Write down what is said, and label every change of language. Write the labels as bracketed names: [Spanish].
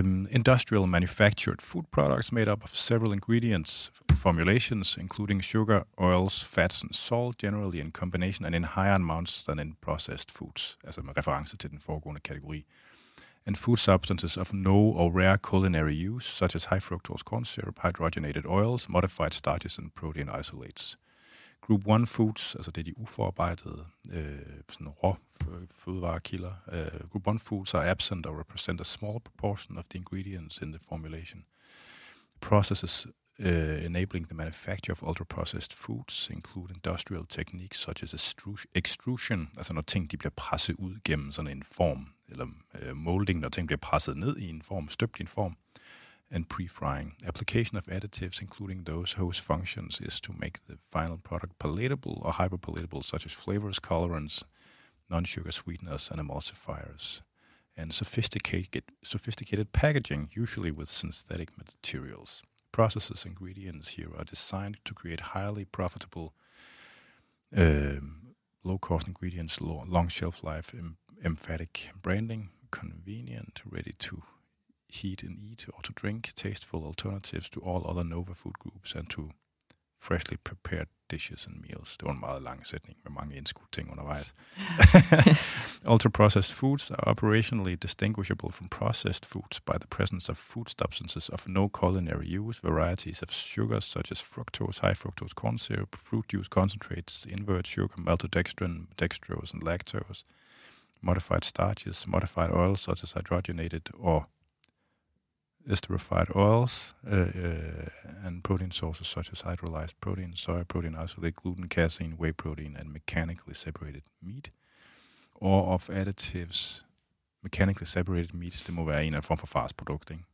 [English] Industrial manufactured food products made up of several ingredients formulations, including sugar, oils, fats and salt, generally in combination and in higher amounts than in processed foods, [Danish] altså med reference til den foregående kategori, [English] and food substances of no or rare culinary use, such as high fructose corn syrup, hydrogenated oils, modified starches and protein isolates. Group 1 foods, [Danish] altså det er de uforarbejdede sådan rå fødevarekilder. [English] Group 1 foods are absent or represent a small proportion of the ingredients in the formulation. Processes enabling the manufacture of ultra-processed foods include industrial techniques such as extrusion, [Danish] altså når ting de bliver presset ud gennem sådan en form, eller molding, når ting bliver presset ned i en form, støbt i en form, [English] and pre-frying. Application of additives, including those whose functions is to make the final product palatable or hyperpalatable, such as flavors, colorants, non-sugar sweeteners, and emulsifiers. And sophisticated packaging, usually with synthetic materials. Processes, ingredients here are designed to create highly profitable, low-cost ingredients, long shelf life, emphatic branding, convenient, ready to heat and eat or to drink, tasteful alternatives to all other Nova food groups and to freshly prepared dishes and meals. [Danish] Det var en meget lang sætning med mange indskudt ting undervejs. [English] Ultra-processed foods are operationally distinguishable from processed foods by the presence of food substances of no culinary use, varieties of sugars such as fructose, high fructose corn syrup, fruit juice concentrates, invert sugar, maltodextrin, dextrose and lactose, modified starches, modified oils such as hydrogenated or esterified oils and protein sources such as hydrolyzed protein, soy protein isolate, gluten, casein, whey protein, and mechanically separated meat, or of additives. Mechanically separated meats, [Danish] det må være en af form for fast produkt, ikke?